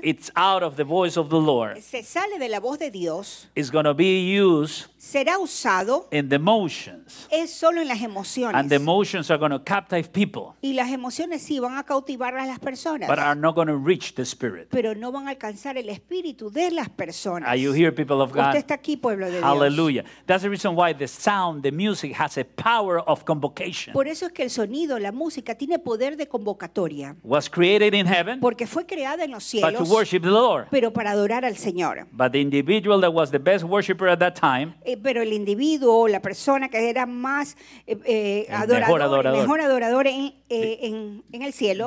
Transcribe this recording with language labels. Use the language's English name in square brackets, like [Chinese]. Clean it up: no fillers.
[English] it's out of the voice of the Lord [Spanish] se sale de la voz de Dios [English] is going to be used [Spanish] será usado [English] in the emotions [Spanish] es solo en las emociones [English] and the emotions are going to captive people [Spanish] y las emociones sí van a cautivar a las personas [English] but are not going to reach the spirit [Spanish] pero no van a alcanzar el espíritu de las personas [English] are you here people of God [Spanish] usted está aquí pueblo de Dios [English] hallelujah that's the reason why the sound the music has a power of convocation [Spanish] por eso es que el sonido la música tiene poder de convocatoria [English] was created in heaven [Spanish] porque fue creada en los cielos [English] but to worship the Lord. [Spanish] Pero para adorar al Señor [English] but the individual that was the best worshiper at that time [Spanish] pero el individuo o la persona que era más adorador mejor adorador en el cielo